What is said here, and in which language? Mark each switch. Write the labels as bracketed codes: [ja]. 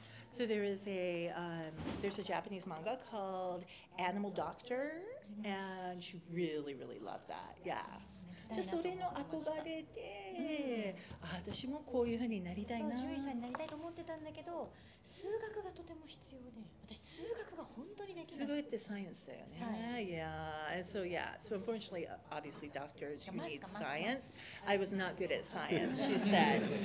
[en] So there is a there's a Japanese manga called Animal Doctor, and she really, really loved that. Yeah. [ja] Just それの憧れで、私もこういう風になりたいな。そう、獣医さんになりたいと思ってたんだけど、数学がとても必要で、私数学が本当にできない。数学ってサイエンスだよね。 [en] Yeah. And so yeah. So unfortunately, obviously, doctors you need science. I was not good at science, she said.